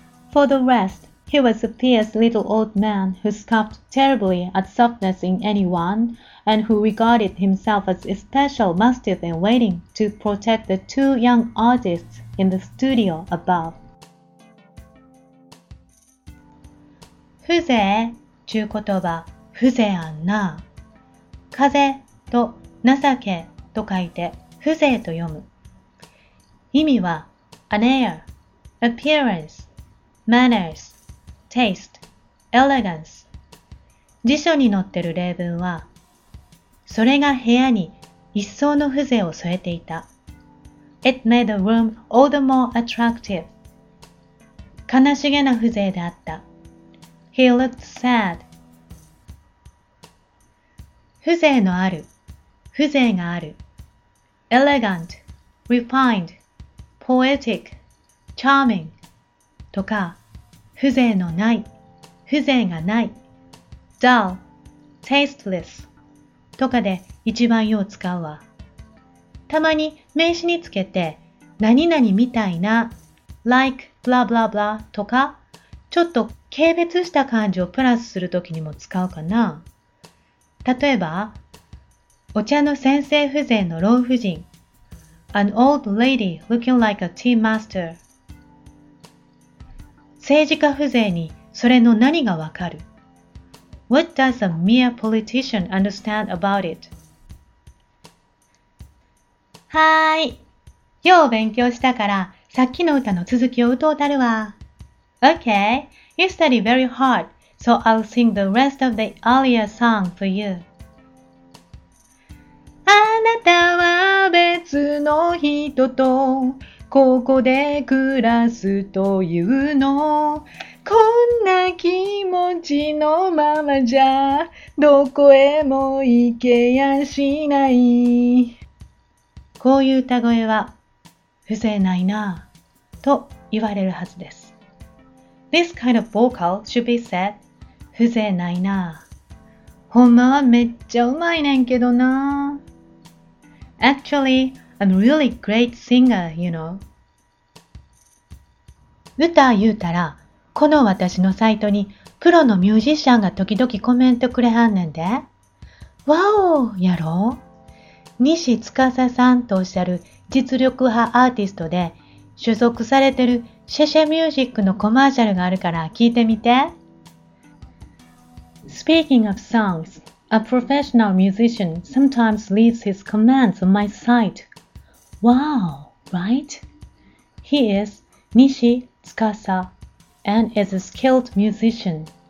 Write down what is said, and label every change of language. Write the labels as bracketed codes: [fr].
[en] For the rest, he was a fierce little old man who scoffed terribly at softness in anyone and who regarded himself as a special mastiff in waiting to protect the two young artists in the studio above. [ja] 風情という言葉、風情あんな。風と情けと書いて、風情と読む。意味は、 [en] an air, appearance, manners, taste, elegance。 [ja] 辞書に載ってる例文は、それが部屋に一層の風情を添えていた。 [en] It made the room all the more attractive。 [ja] 悲しげな風情であった。 [en] He looked sad. [ja] 風情のある、風情がある。 [en] Elegant, refined, poetic, charming. [ja] とか、風情のない、風情がない。 [en] Dull, tasteless. [ja] とかで一番よう使うわ。たまに名詞につけて、何々みたいな、 [en] like, blah, blah, blah, [ja] とか、ちょっと軽蔑した感じをプラスするときにも使うかな。例えば、お茶の先生風情の老婦人。 [en] An old lady looking like a tea master. [ja] 政治家風情にそれの何がわかる [en] ?What does a mere politician understand about it? [ja] はーい。よう勉強したから、さっきの歌の続きを歌うたるわ。 [en] Okay, you study very hard, so I'll sing the rest of the Aaliyah song for you. [ja] あなたは別の人とここで暮らすというの。こんな気持ちのままじゃどこへも行けやしない。こういう歌声は、風情ないなぁと言われるはずです。 [en] This kind of vocal should be said, [ja] 風情ないなぁ。ほんまはめっちゃうまいねんけどなぁ。 [en] Actually, I'm a really great singer, you know. [ja] 歌言うたら、この私のサイトにプロのミュージシャンが時々コメントくれはんねんで。わおーやろ。西司さんとおっしゃる実力派アーティストで、所属されてるシェシェミュージックのコマーシャルがあるから聞いてみて。 [en] Speaking of songs, a professional musician sometimes leaves his comments on my site. Wow, right? He is Nishi Tsukasa and is a skilled musician.